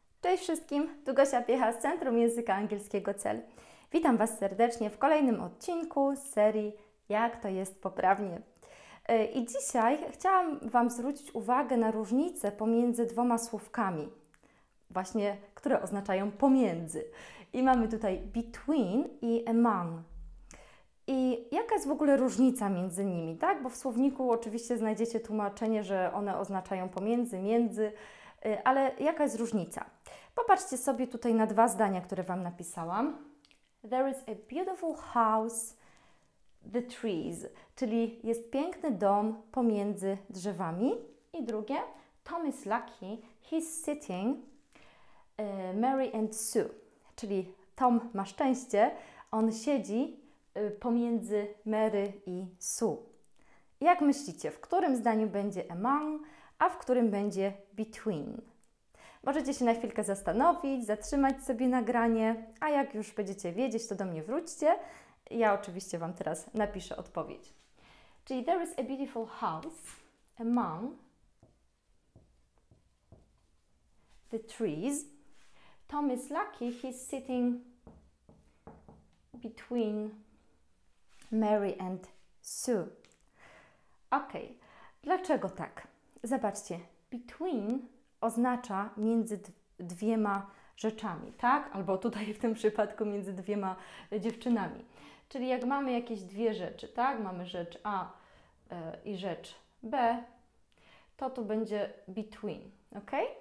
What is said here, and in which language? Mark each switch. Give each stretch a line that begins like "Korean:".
Polish: Cześć wszystkim, tu Gosia Piecha z Centrum Języka Angielskiego CEL. Witam Was serdecznie w kolejnym odcinku z serii Jak to jest poprawnie. I dzisiaj chciałam Wam zwrócić uwagę na różnicę pomiędzy dwoma słówkami, właśnie, które oznaczają pomiędzy. I mamy tutaj between i among. I jaka jest w ogóle różnica między nimi, tak? Bo w słowniku oczywiście znajdziecie tłumaczenie, że one oznaczają pomiędzy, między, ale jaka jest różnica? Popatrzcie sobie tutaj na dwa zdania, które Wam napisałam.
English: There is a beautiful house, the trees.
Polish: Czyli jest piękny dom pomiędzy drzewami. I drugie,
English: Tom is lucky, he's sitting Mary and Sue.
Polish: Czyli Tom ma szczęście, on siedzi pomiędzy Mary i Sue. Jak myślicie, w którym zdaniu będzie among, a w którym będzie between? Możecie się na chwilkę zastanowić, zatrzymać sobie nagranie, a jak już będziecie wiedzieć, to do mnie wróćcie. Ja oczywiście Wam teraz napiszę odpowiedź. Czyli
English: there is a beautiful house among the trees. Tom is lucky, he's sitting between Mary and Sue.
Polish: Ok, dlaczego tak? Zobaczcie, between oznacza między dwiema rzeczami, tak? Albo tutaj w tym przypadku między dwiema dziewczynami. Czyli jak mamy jakieś dwie rzeczy, tak? Mamy rzecz A i rzecz B, to tu będzie between, ok?